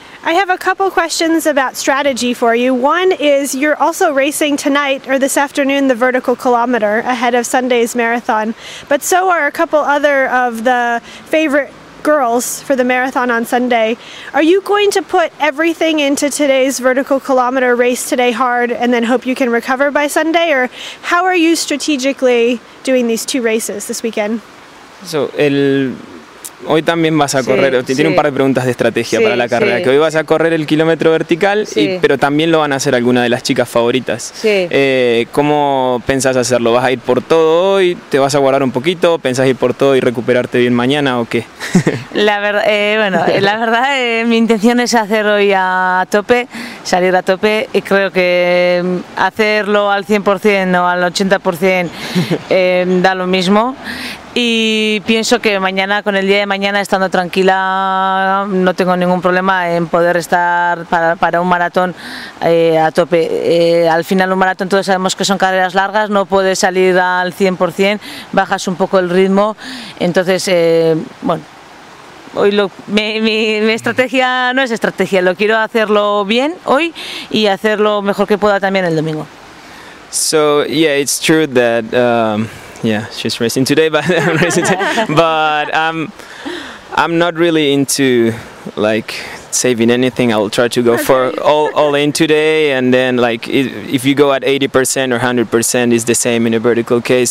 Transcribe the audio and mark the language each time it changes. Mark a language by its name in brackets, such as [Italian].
[English] I have a couple questions about strategy for you. One is, you're also racing tonight or this afternoon the vertical kilometer ahead of Sunday's marathon, but so are a couple other of the favorite girls for the marathon on Sunday. Are you going to put everything into today's vertical kilometer race today hard and then hope you can recover by Sunday, or how are you strategically doing these two races this weekend? [Spanish] So hoy también vas a correr, tiene un par de preguntas de estrategia para la carrera, que hoy vas a correr el kilómetro vertical, pero también lo van a hacer alguna de las chicas favoritas. ¿Cómo pensás hacerlo? ¿Vas a ir por todo hoy? ¿Te vas a guardar un poquito? ¿Pensás ir por todo y recuperarte bien mañana o qué? La verdad, mi intención es hacer hoy a tope, salir a tope, y creo que hacerlo al 100% o al 80% da lo mismo. Y pienso que mañana, con el día de mañana, estando tranquila, no tengo ningún problema en poder estar para un maratón a tope. Al final, un maratón, todos sabemos que son carreras largas, no puedes salir al 100%, bajas un poco el ritmo. Entonces, hoy mi estrategia no es estrategia, lo quiero hacerlo bien hoy y hacerlo mejor que pueda también el domingo. [English] So, yeah, it's true that yeah, she's racing today, but I'm not really into like saving anything. I'll try to go for all in today, and then like if you go at 80% or 100% is the same in a vertical case.